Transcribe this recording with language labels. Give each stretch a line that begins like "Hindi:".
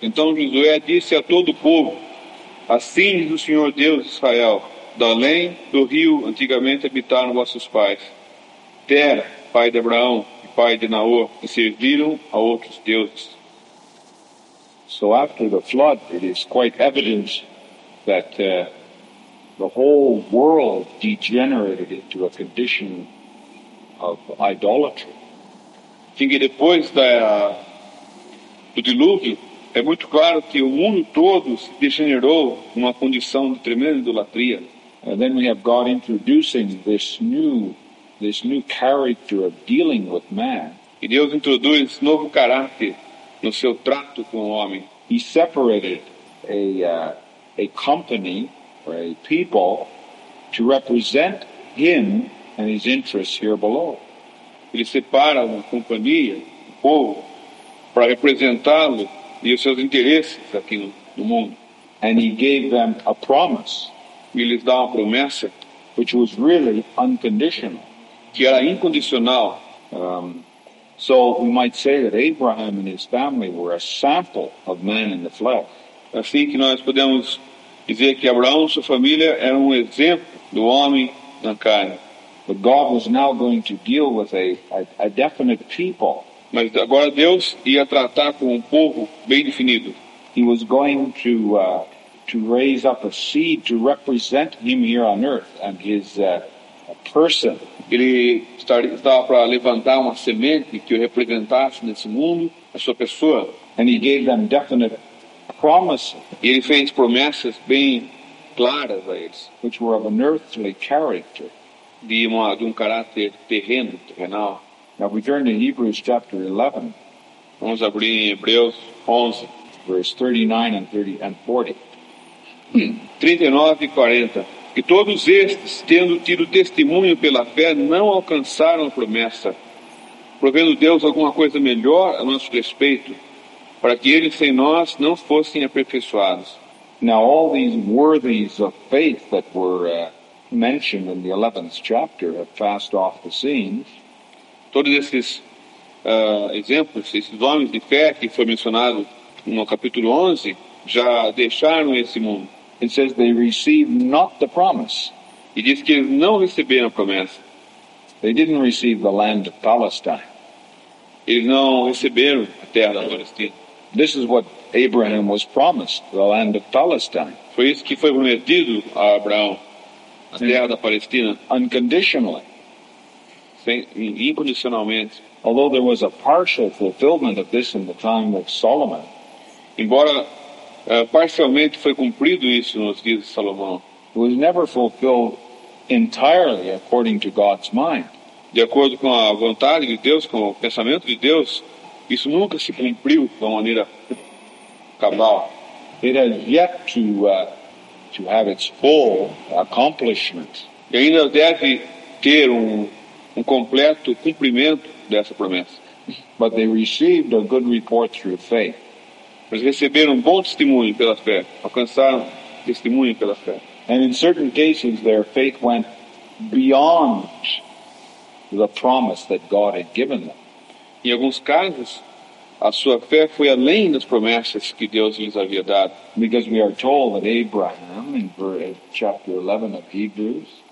Portuguese: Então Josué disse a todo o povo: assim diz o Senhor Deus de Israel, da além do rio antigamente habitaram vossos pais, Tera, pai de Abraão e pai de Naor, e serviram a outros deuses.
English: So after the flood, it is quite evident that the whole world degenerated into a condition of idolatry.
Portuguese: Sim, que depois do dilúvio, é muito claro que o mundo todo se degenerou numa condição de tremenda idolatria.
English: And then we have God introducing this new character of dealing with man.
Portuguese: E Deus introduz novo caráter no seu trato com o homem.
English: He separated a company or a people to represent him and his interests here below.
Portuguese: Ele separa uma companhia, um povo, para representá-lo e os seus interesses aqui no mundo.
English: And he gave them a promise.
Portuguese: E lhes dá uma promessa,
English: which was really unconditional,
Portuguese: que era incondicional.
English: So we might say that Abraham and his family were a sample of man in the flesh.
Portuguese: Assim que nós podemos dizer que Abraão e sua família eram um exemplo do homem na carne.
English: But God was now going to deal with a definite people.
Portuguese: Mas agora Deus ia tratar com um povo bem definido.
English: He was going to raise up a seed to represent him here on earth and his person.
Portuguese: Ele estava para levantar uma semente que o representasse nesse mundo, a sua pessoa.
English: And he gave them definite promises.
Portuguese: E ele fez promessas bem claras a eles,
English: which were of an earthly character,
Portuguese: de um caráter terrenal.
English: Now we turn to Hebrews chapter 11.
Portuguese: Vamos abrir em Hebreus 11,
English: verse 39 and 40.
Portuguese: 39 e 40. E todos estes, tendo tido testemunho pela fé, não alcançaram a promessa, provendo Deus alguma coisa melhor a nosso respeito, para que eles sem nós não fossem aperfeiçoados.
English: Now all these worthies of faith that were mentioned in the 11th chapter have passed off the scene.
Portuguese: Todos esses exemplos, esses homens de fé que foi mencionado no capítulo 11, já deixaram esse mundo.
English: It says they received not the promise.
Portuguese: E diz que eles não receberam a promessa.
English: They didn't receive the land of Palestine.
Portuguese: Eles não receberam a terra da Palestina.
English: This is what Abraham was promised, the land of Palestine.
Portuguese: Foi isso que foi prometido a Abraão, a terra da Palestina.
English: Unconditionally.
Portuguese: Incondicionalmente.
English: Although there was a partial fulfillment of this in the time of Solomon.
Portuguese: Embora parcialmente foi cumprido isso nos dias de Salomão.
English: It was never fulfilled entirely according to God's mind.
Portuguese: De acordo com a vontade de Deus, com o pensamento de Deus, isso nunca se cumpriu de uma maneira cabal.
English: It has yet to have its full accomplishment.
Portuguese: E ainda deve ter um completo cumprimento dessa promessa.
English: But they received a good report through faith.
Portuguese: Mas receberam um bom testemunho pela fé. Alcançaram testemunho pela fé.
English: And in certain cases, their faith went beyond the promise that God had given them.
Portuguese: Em alguns casos, a sua fé foi além das promessas que Deus lhes havia dado.
English: Because we are told that Abraham, in chapter 11 of Hebrews,